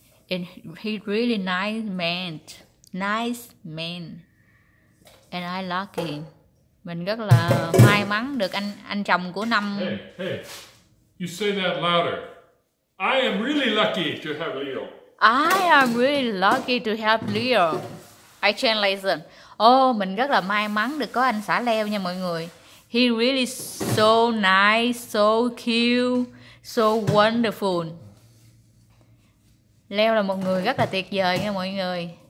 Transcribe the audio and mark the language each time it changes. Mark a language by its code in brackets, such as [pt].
[en] And he really nice man, and I lucky. [vi] Mình rất là may mắn được anh chồng của năm. [en] Hey, you say that louder. I am really lucky to have Leo. I am really lucky to have Leo. I translate. [vi] Oh, mình rất là may mắn được có anh xã Leo nha mọi người. [en] He really so nice, so cute, so wonderful. [vi] Leo là một người rất là tuyệt vời nha mọi người.